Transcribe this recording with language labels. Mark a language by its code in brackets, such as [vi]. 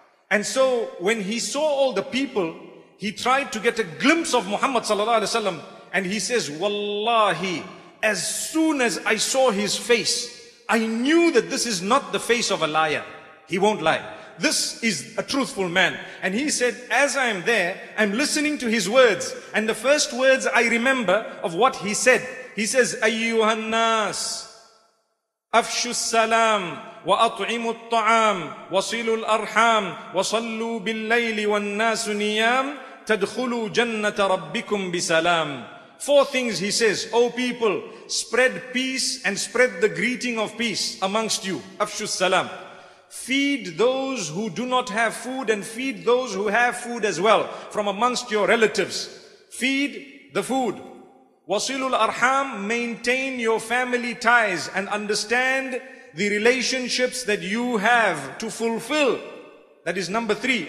[en] And so when he saw all the people, he tried to get a glimpse of Muhammad sallallahu alaihi wasallam, and he says, wallahi, as soon as I saw his face, I knew that this is not the face of a liar. He won't lie. This is a truthful man. And he said, as I am there, I'm listening to his words. And the first words I remember of what he said, he says, [ar] أَيُّهَا النَّاسِ أَفْشُ السَّلَامِ وَأَطْعِمُ الطَّعَامِ وَصِلُوا الْأَرْحَامِ وَصَلُّوا بِاللَّيْلِ وَالنَّاسُ نِيَامِ تَدْخُلُوا جَنَّةَ رَبِّكُمْ بِسَلَامِ. [en] Four things he says, O people, spread peace and spread the greeting of peace amongst you. Afshu salam. Feed those who do not have food and feed those who have food as well from amongst your relatives. Feed the food. Wasilul arham, maintain your family ties and understand the relationships that you have to fulfill. That is number three.